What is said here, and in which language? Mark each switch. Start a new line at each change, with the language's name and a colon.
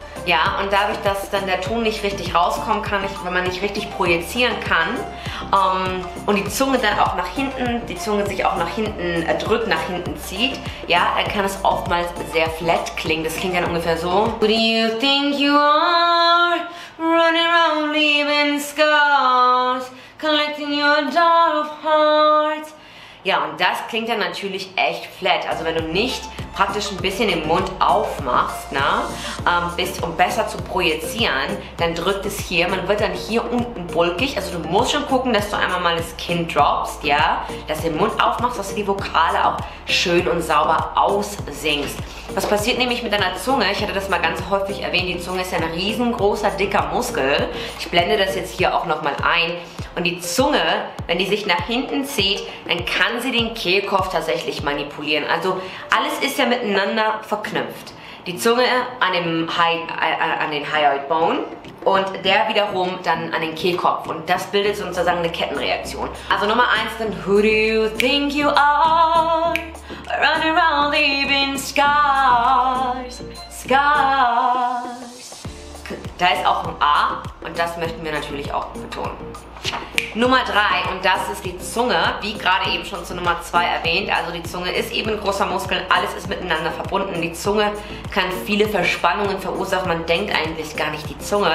German: Ja, und dadurch, dass dann der Ton nicht richtig rauskommen kann, wenn man nicht richtig projizieren kann und die Zunge dann auch nach hinten, die Zunge sich auch nach hinten drückt, nach hinten zieht, ja, dann kann es oftmals sehr flat klingen. Das klingt dann ungefähr so.
English: Who do you think you are? Running around leaving scars, collecting your dove of hearts.
German: Ja, und das klingt dann natürlich echt flat. Also wenn du nicht praktisch ein bisschen den Mund aufmachst, ne? Um besser zu projizieren, dann drückt es hier, man wird dann hier unten bulkig. Also du musst schon gucken, dass du einmal mal das Kinn droppst, ja? Dass du den Mund aufmachst, dass du die Vokale auch schön und sauber aussingst. Was passiert nämlich mit deiner Zunge? Ich hatte das mal ganz häufig erwähnt, die Zunge ist ja ein riesengroßer, dicker Muskel. Ich blende das jetzt hier auch nochmal ein. Und die Zunge, wenn die sich nach hinten zieht, dann kann sie den Kehlkopf tatsächlich manipulieren. Also alles ist ja miteinander verknüpft. Die Zunge an den Hyoid Bone und der wiederum dann an den Kehlkopf. Und das bildet sozusagen eine Kettenreaktion. Also Nummer 1, dann
English: who do you think you are? Run around leaving scars, scars.
German: Da ist auch ein A und das möchten wir natürlich auch betonen. Nummer 3 und das ist die Zunge, wie gerade eben schon zu Nummer 2 erwähnt. Also die Zunge ist eben ein großer Muskel, alles ist miteinander verbunden. Die Zunge kann viele Verspannungen verursachen. Man denkt eigentlich gar nicht die Zunge.